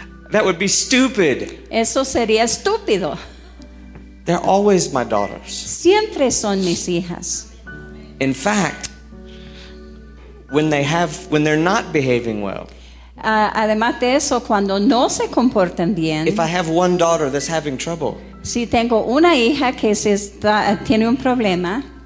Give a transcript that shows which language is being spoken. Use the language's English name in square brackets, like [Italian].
[English] That would be stupid. [Spanish] Eso sería estúpido. [English] They're always my daughters. [Spanish] Siempre son mis hijas. [English] In fact, when they're not behaving well. [Spanish] Además de eso, cuando no se comportan bien. [English] If I have one daughter that's having trouble. [Spanish] Si tengo una hija que tiene un problema.